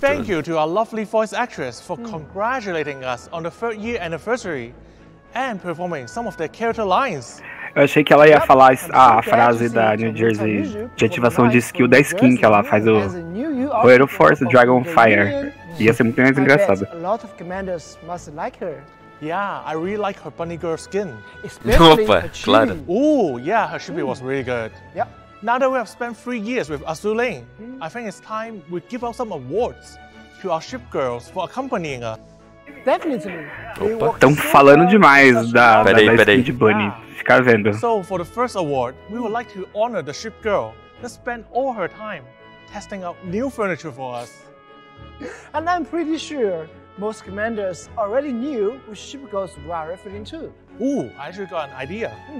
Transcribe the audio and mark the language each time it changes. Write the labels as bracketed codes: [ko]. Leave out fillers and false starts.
[en] Thank you to our lovely voice actress for congratulating us on the third year anniversary and performing some of their character lines. [pt] Eu achei que ela ia falar a frase da New Jersey de ativação de skill da skin que ela faz o Hero Force Dragon Fire. Ia ser muito mais engraçado. [en] A lot of commanders must like her. Yeah, I really like her bunny girl skin. Especially Opa, her chibi. [pt] Claro. [en] Ooh, yeah, her chibi was really good. Yep. Now that we have spent 3 years with Azur Lane, I think it's time we give out some awards to our ship girls for accompanying us. Definitely. [pt] Opa, estão falando demais da skin de bunny. [en] Yeah. [pt] Ficar vendo. [en] So, for the first award, we would like to honor the ship girl that spent all her time testing out new furniture for us. And I'm pretty sure most commanders already knew which ship girls we are referring to. Ooh, I actually got an idea.